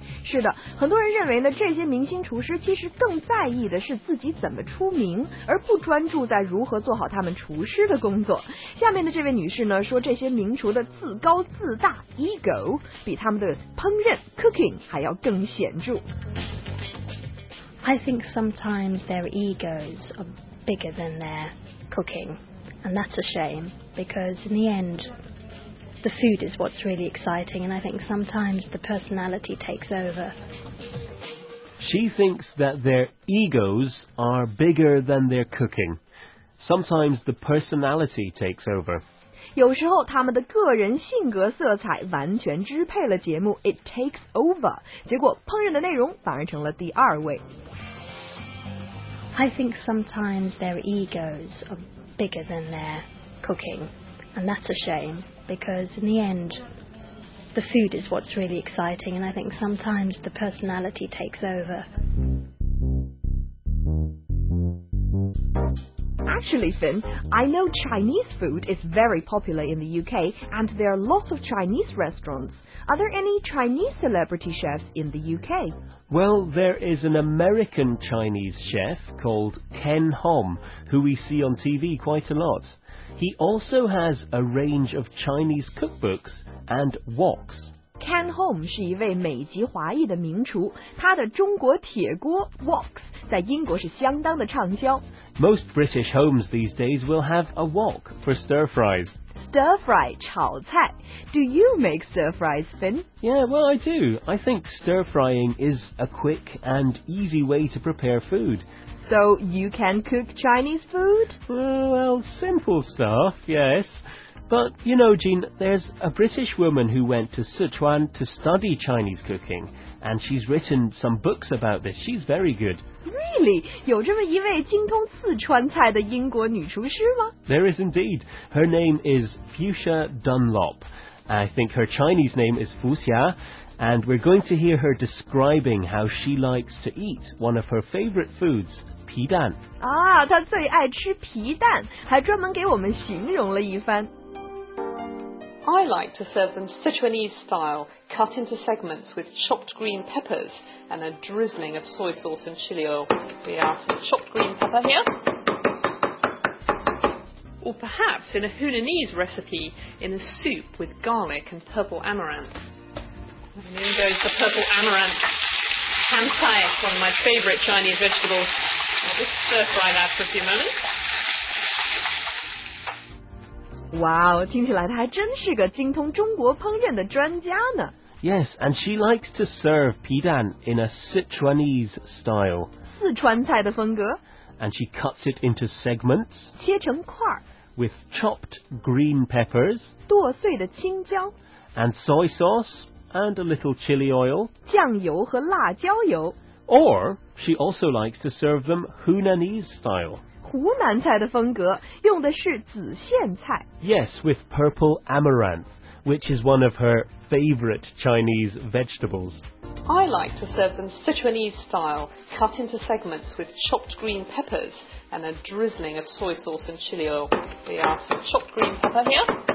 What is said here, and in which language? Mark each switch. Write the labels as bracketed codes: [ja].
[zh] 是的，很多人认为呢，这些明星厨师其实更在意的是自己怎么出名，而不专注在如何做好他们厨师的工作。下面的这位女士呢，说这些名厨的自高自大 ego 比他们的烹饪 cooking 还要更显著。 [en] I think sometimes their egos are bigger than their cooking, and that's a shame because in the end. The food is what's really exciting, and I think sometimes the personality takes over. She thinks that their egos are bigger than their cooking. Sometimes the personality takes over. [zh] 有时候他们的个人性格色彩完全支配了节目 [en] It takes over. [zh] 结果烹饪的内容反而成了第二位。 [en] I think sometimes their egos are bigger than their cooking, and that's a shame. Because in the end, the food is what's really exciting, and I think sometimes the personality takes over. Actually, Finn, I know Chinese food is very popular in the UK, and there are lots of Chinese restaurants. Are there any Chinese celebrity chefs in the UK? Well, there is an American Chinese chef called Ken Hom, who we see on TV quite a lot. He also has a range of Chinese cookbooks and woks. [zh] Ken Hom 是一位美籍华裔的名厨，他的中国铁锅 woks 在英国是相当的畅销。 [en] Most British homes these days will have a wok for stir fries. stir-fry 炒菜. Do you make stir-fries, Finn? Yeah, well, I do. I think stir-frying is a quick and easy way to prepare food. So you can cook Chinese food? Well, simple stuff, yes. But, you know, Jean, there's a British woman who went to Sichuan to study Chinese cooking, and she's written some books about this. She's very good. Really? [zh] 有这么一位精通四川菜的英国女厨师吗? [en] There is indeed. Her name is Fuchsia Dunlop. I think her Chinese name is Fuxia. And we're going to hear her describing how she likes to eat one of her favorite foods, 皮蛋. [zh] Ah, 她最爱吃皮蛋,还专门给我们形容了一番。 [en] I like to serve them Sichuanese style, cut into segments with chopped green peppers and a drizzling of soy sauce and chili oil. We have some chopped green pepper here. Or perhaps in a Hunanese recipe, in a soup with garlic and purple amaranth. And in goes the purple amaranth. Pan Thai, one of my favourite Chinese vegetables. I'll just stir fry that for a few moments. [zh] 哇哦，听起来她还真是个精通中国烹饪的专家呢。 [en] Yes, and she likes to serve 皮蛋 in a Sichuanese style. [zh] 四川菜的风格。 [en] And she cuts it into segments. [zh] 切成块。 [en] With chopped green peppers. [zh] 剁碎的青椒。 [en] And soy sauce and a little chili oil. [zh] 酱油和辣椒油。 [en] Or she also likes to serve them Hunanese style. [zh] 湖南菜的风格用的是紫苋菜。 [en] Yes, with purple amaranth, which is one of her favorite Chinese vegetables. I like to serve them Sichuanese style, cut into segments with chopped green peppers and a drizzling of soy sauce and chili oil. We have some chopped green pepper here.